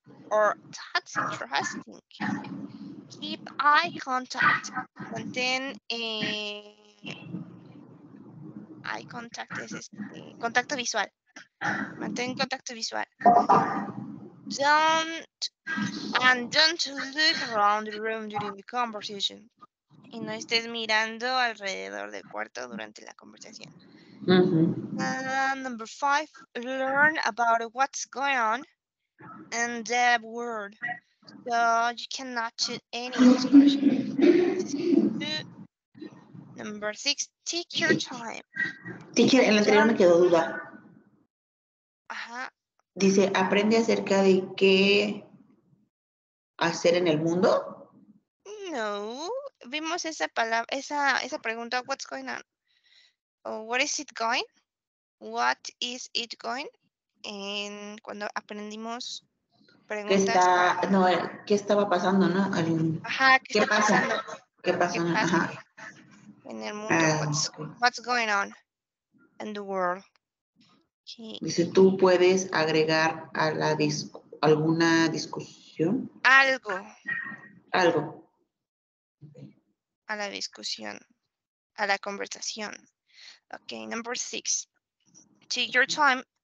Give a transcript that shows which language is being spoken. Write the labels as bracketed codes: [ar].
[en] or "That's interesting." Keep eye contact. [es] Mantén [en] eye contact. [es] Contacto visual. Mantén contacto visual. [en] Don't look around the room during the conversation. [es] Y no estés mirando alrededor del cuarto durante la conversación. [en] Number five, learn about what's going on in the world. So you cannot choose any discussion. Number six, take your time. [es] Teacher, en la anterior me quedó duda. Ajá. Dice, aprende acerca de qué hacer en el mundo. No, vimos esa palabra, esa pregunta, [en] what's going on. What is it going? [es] En cuando aprendimos pregunta no, qué estaba pasando, ¿no? Ajá, ¿qué está pasa? Pasando? ¿Qué pasó? ¿Qué pasa? Ajá. En el mundo, [en] what's going on in the world? Okay. [es] Dice, ¿tú puedes agregar a la alguna discusión? Algo. Algo. A la discusión, a la conversación. [en] Okay, number six. Take your time.